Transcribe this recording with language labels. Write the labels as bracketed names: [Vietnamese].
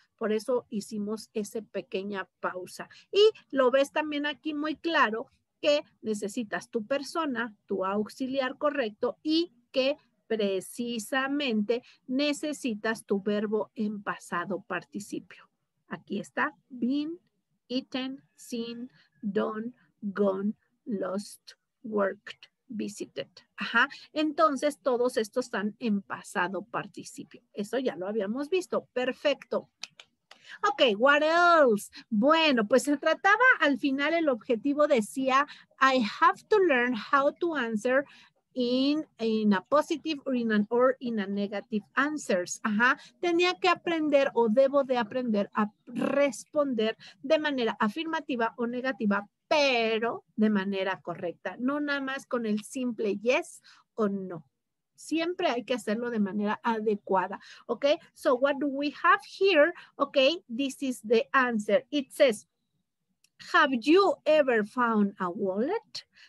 [Spanish] Por eso hicimos esa pequeña pausa. Y lo ves también aquí muy claro, que necesitas tu persona, tu auxiliar correcto y que precisamente necesitas tu verbo en pasado participio. Aquí está, been, eaten, seen, done, gone, lost, worked, visited. Ajá. Entonces todos estos están en pasado participio. Eso ya lo habíamos visto. Perfecto. [English] Ok, what else? [Spanish] Bueno, pues se trataba al final, el objetivo decía, [English] I have to learn how to answer in a positive or in an or in a negative answers. [Spanish] Ajá, tenía que aprender o debo de aprender a responder de manera afirmativa o negativa, pero de manera correcta, no nada más con el simple yes o no. Siempre hay que hacerlo de manera adecuada, ¿ok? [English] So, what do we have here? Ok, this is the answer. It says, have you ever found a wallet?